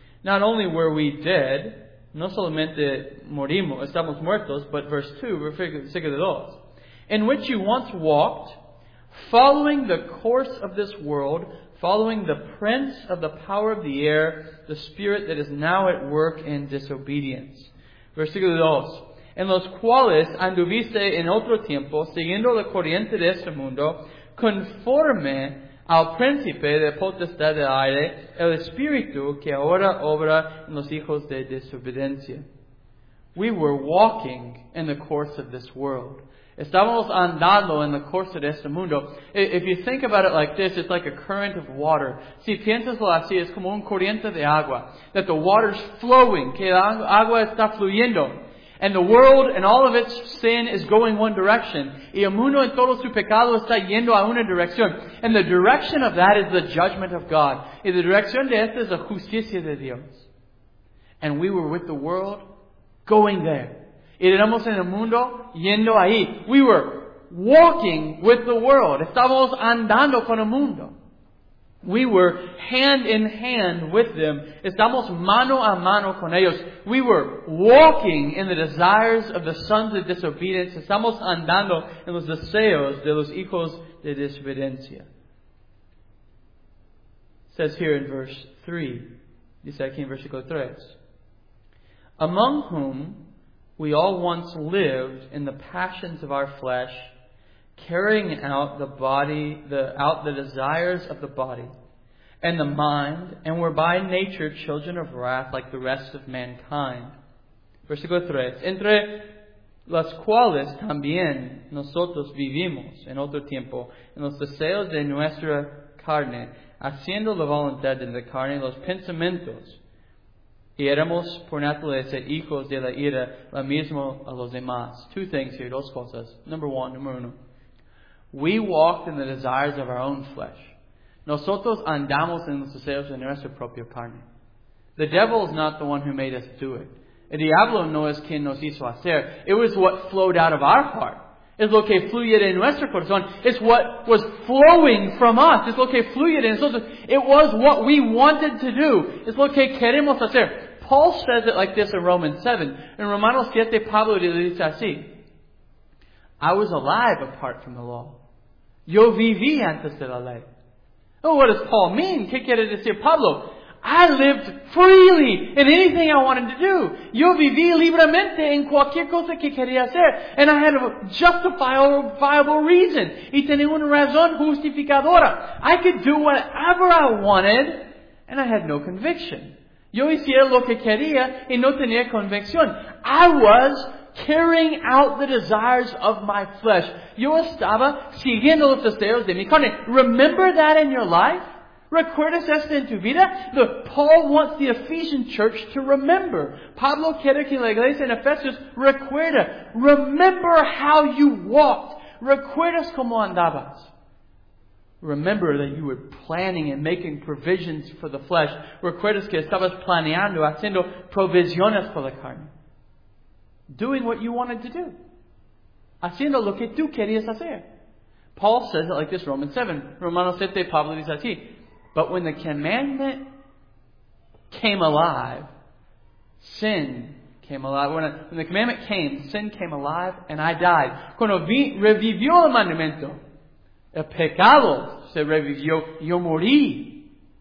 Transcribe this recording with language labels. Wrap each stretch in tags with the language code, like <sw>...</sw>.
<en>Not only were we dead,</en> <es>no solamente morimos, estamos muertos,</es> <en>but verse 2,</en> <es>versículo 2,</es> <en>in which you once walked, following the course of this world, following the prince of the power of the air, the spirit that is now at work in disobedience.</en> <es>Versículo 2, en los cuales anduviste en otro tiempo, siguiendo la corriente de este mundo, conforme al príncipe de potestad del aire, el espíritu que ahora obra en los hijos de desobediencia.</es> <en>We were walking in the course of this world.</en> <es>Estábamos andando en la course de este mundo.</es> <en>If you think about it like this, it's like a current of water.</en> <es>Si piensaslo así, es como un corriente de agua.</es> <en>That the water's flowing,</en> <es>que el agua está fluyendo.</es> <en>And the world and all of its sin is going one direction.</en> <es>Y el mundo en todo su pecado está yendo a una dirección.</es> <en>And the direction of that is the judgment of God.</en> <es>Y la dirección de esta es la justicia de Dios.</es> <en>And we were with the world going there.</en> <es>Y éramos en el mundo yendo ahí.</es> <en>We were walking with the world.</en> <es>Estábamos andando con el mundo.</es> <en>We were hand in hand with them.</en> <es>Estamos mano a mano con ellos.</es> <en>We were walking in the desires of the sons of disobedience.</en> <es>Estamos andando en los deseos de los hijos de desobediencia.</es> <en>It says here in verse 3.</en> <es>Dice aquí en versículo 3.</es> <en>Among whom we all once lived in the passions of our flesh, carrying out the body, the desires of the body and the mind, and were by nature children of wrath like the rest of mankind.</en> <es>Versículo 3. Entre las cuales también nosotros vivimos en otro tiempo, en los deseos de nuestra carne, haciendo la voluntad de la carne, los pensamientos, y éramos por naturaleza hijos de la ira, lo mismo a los demás.</es> <en>Two things here,</en> <es>dos cosas. Número uno.</es> <en>We walked in the desires of our own flesh.</en> <es>Nosotros andamos en los deseos de nuestra propia carne.</es> <en>The devil is not the one who made us do it.</en> <es>El diablo no es quien nos hizo hacer.</es> <en>It was what flowed out of our heart.</en> <es>Es lo que fluye de nuestro corazón.</es> <en>It's what was flowing from us.</en> <es>Es lo que fluye de nosotros.</es> <en>It was what we wanted to do.</en> <es>Es lo que queremos hacer.</es> <en>Paul says it like this in Romans 7. In</en> <es>Romanos 7, Pablo dice así.</es> <en>I was alive apart from the law.</en> <es>Yo viví antes de la ley.</es> <en>Oh, what does Paul mean?</en> <es>¿Qué quiere decir Pablo?</es> <en>I lived freely in anything I wanted to do.</en> <es>Yo viví libremente en cualquier cosa que quería hacer.</es> <en>And I had a justifiable reason.</en> <es>Y tenía una razón justificadora.</es> <en>I could do whatever I wanted and I had no conviction.</en> <es>Yo hice lo que quería y no tenía convicción.</es> <en>I was carrying out the desires of my flesh.</en> <es>Yo estaba siguiendo los deseos de mi carne.</es> <en>Remember that in your life?</en> <es>Recuerdas esto en tu vida?</es> <en>Look, Paul wants the Ephesian church to remember.</en> <es>Pablo quiere que la iglesia en Efesios recuerda.</es> <en>Remember how you walked.</en> <es>Recuerdas cómo andabas.</es> <en>Remember that you were planning and making provisions for the flesh.</en> <es>Recuerdas que estabas planeando, haciendo provisiones para la carne.</es> <en>Doing what you wanted to do.</en> <es>Haciendo lo que tú querías hacer.</es> <en>Paul says it like this, Romans 7.</en> <es>Romanos 7, Pablo dice así.</es> <en>But when the commandment came alive, sin came alive. When the commandment came, sin came alive and I died.</en> <es>Cuando revivió el mandamiento, el pecado se revivió, yo morí.</es>